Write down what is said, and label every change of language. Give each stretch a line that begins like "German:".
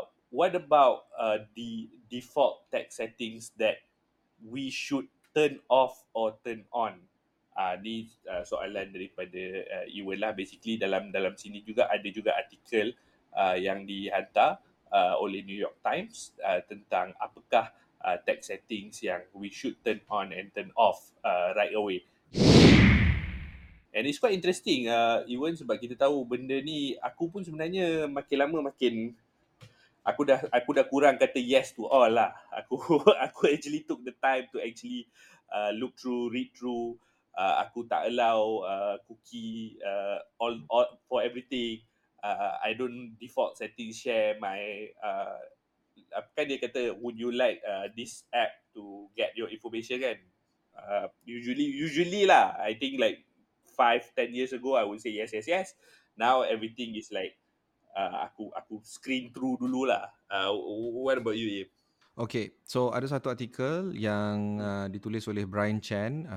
English: What about the default tech settings that we should turn off or turn on?
Malay: Ni soalan daripada Iwan lah. Basically dalam sini juga ada juga artikel yang dihantar oleh New York Times tentang apakah tech settings yang
English: we should turn on and turn off right away. And it's quite interesting, even
Malay: sebab kita tahu benda ni, aku pun sebenarnya makin lama makin aku dah kurang kata
English: yes to all
Malay: lah. Aku
English: actually took the time to actually look through, read through.
Malay: Aku tak
English: allow cookie all for everything. I don't default setting share my
Malay: kan dia kata
English: would you like this app to get your information
Malay: kan.
English: Usually lah, I think like 5-10 years ago I would say yes. Now everything is like
Malay: aku
English: screen through
Malay: dulu lah.
English: What about you, Yip?
Malay: Okay, so ada satu artikel yang ditulis oleh Brian Chan.